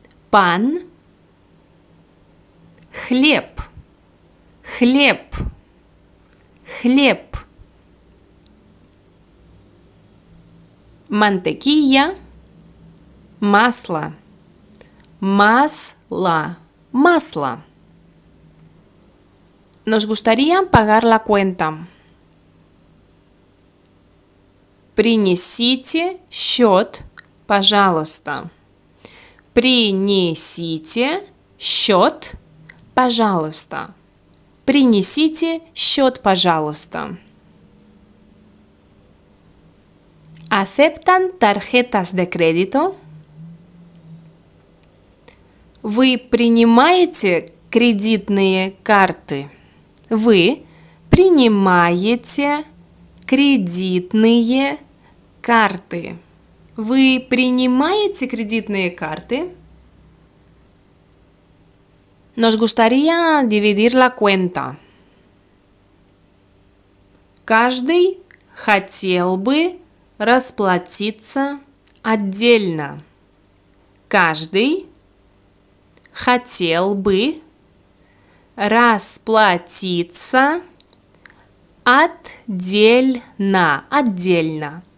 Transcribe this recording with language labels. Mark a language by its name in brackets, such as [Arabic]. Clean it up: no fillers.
[Russian] Пан, хлеб, хлеб, хлеб. Мантекилла, масло, масло, масло. [Spanish] Nos gustaría pagar la cuenta. [Russian] Принесите счет, пожалуйста. Принесите счет, пожалуйста. Принесите счет, пожалуйста. [Spanish] ¿Aceptan tarjetas de crédito? [Russian] ¿Вы принимаете кредитные карты? ¿Вы принимаете кредитные карты? ¿Вы принимаете кредитные карты? [Spanish] Nos gustaría dividir la cuenta. [Russian] Каждый хотел бы расплатиться отдельно. Каждый хотел бы расплатиться отдельно, отдельно.